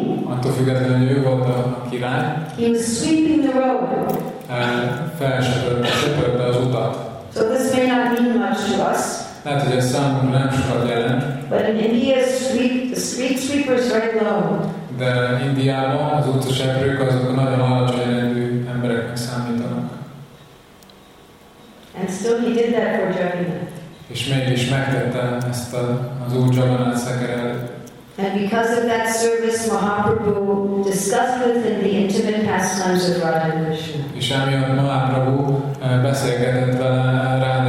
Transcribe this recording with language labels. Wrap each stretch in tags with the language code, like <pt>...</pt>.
<hu>attól függetlenül, hogy ő volt a király,</hu> <en>he was sweeping the road.</en> <hu>Felsöpörte az utat.</hu> <en>So this may not mean much to us.</en> <hu>Lehet, hogy a számunkra nem sokat jelent.</hu> <en>But in India, street sweepers are very low.</en> <hu>De Indiában az utcaseprők azok nagyon alacsony rendű embereknek számítanak.</hu> <en>And still he did that for Jagannath.</en> <hu>És mégis megtette ezt az Úr Jagannath szekerrel.</hu> <en>And because of that service, Mahaprabhu discussed with him the intimate pastimes of Radha and Krishna.</en> <hu>És amiatt Mahaprabhu beszélgetett vele</hu>